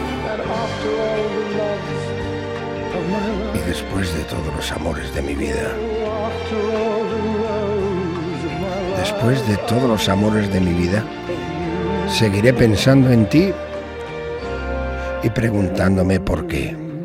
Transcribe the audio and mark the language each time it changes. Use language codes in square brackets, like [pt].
[en] And after all the loves of my life, [es] y después de todos los amores de mi vida, [en] after all the loves of my life, [es] después de todos los amores de mi vida, seguiré pensando en ti y preguntándome por qué.